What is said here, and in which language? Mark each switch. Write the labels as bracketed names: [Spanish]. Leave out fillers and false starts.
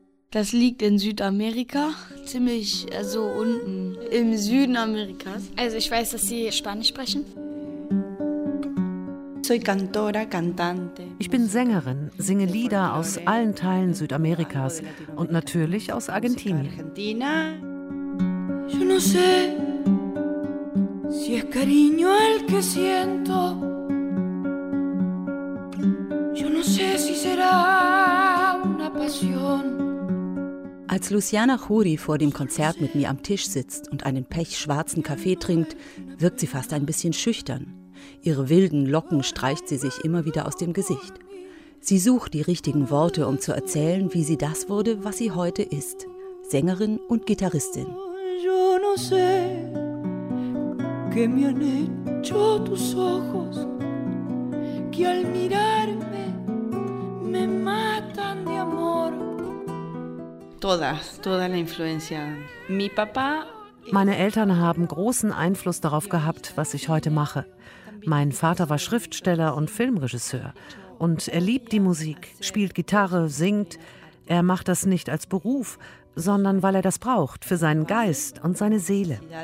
[German] Das liegt in Südamerika, ziemlich so unten im Süden Amerikas. Also ich weiß, dass Sie Spanisch sprechen. [Spanish] Soy cantora, cantante. [German] Ich bin Sängerin, singe Lieder aus allen Teilen Südamerikas und natürlich aus Argentinien. [Spanish] Yo no sé si es cariño el que siento. Yo no sé si será una pasión. [German] Als Luciana Juri vor dem Konzert mit mir am Tisch sitzt und einen pechschwarzen Kaffee trinkt, wirkt sie fast ein bisschen schüchtern. Ihre wilden Locken streicht sie sich immer wieder aus dem Gesicht. Sie sucht die richtigen Worte, um zu erzählen, wie sie das wurde, was sie heute ist: Sängerin und Gitarristin. [Spanish] Yo no sé, que me han hecho tus ojos, que al mirarme me matan de amor. Toda la influencia. Mi papá. [German] Meine Eltern haben großen Einfluss darauf gehabt, was ich heute mache. Mein Vater war Schriftsteller und Filmregisseur. Und er liebt die Musik, spielt Gitarre, singt. Er macht das nicht als Beruf, sondern weil er das braucht für seinen Geist und seine Seele.